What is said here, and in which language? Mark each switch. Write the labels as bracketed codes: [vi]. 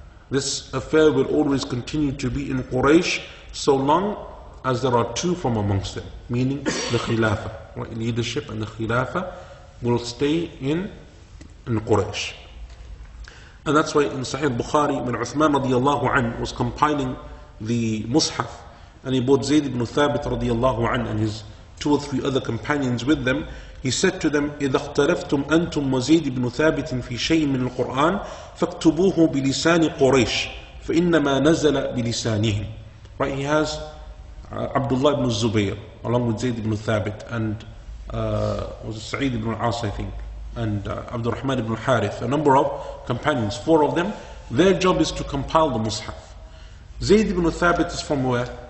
[en] This affair will always continue to be in Quraysh so long as there are two from amongst them, meaning the Khilafah, right? Leadership and the Khilafah will stay in Quraysh. And that's why in Sahih Bukhari, when Uthman radiallahu an was compiling the Mus'haf, and he bought Zayd ibn Thabit radiallahu an and his two or three other companions with them, he said to them, [ar] إِذَا اخْتَلَفْتُمْ أَنْتُمْ وَزَيْدِ بْنُ ثَابِتٍ فِي شَيْءٍ مِنَ الْقُرْآنِ فَاكْتُبُوهُ بِلِسَانِ قُرَيْشِ فَإِنَّمَا نَزَلَ بِلِسَانِهِمْ. [en] Right, he has Abdullah ibn Zubayr along with Zayd ibn Thabit and was Sa'id ibn al-As, I think, and Abdul Rahman ibn al-Harith, a number of companions, four of them. Their job is to compile the Mus'haf. Zayd ibn Thabit is from where?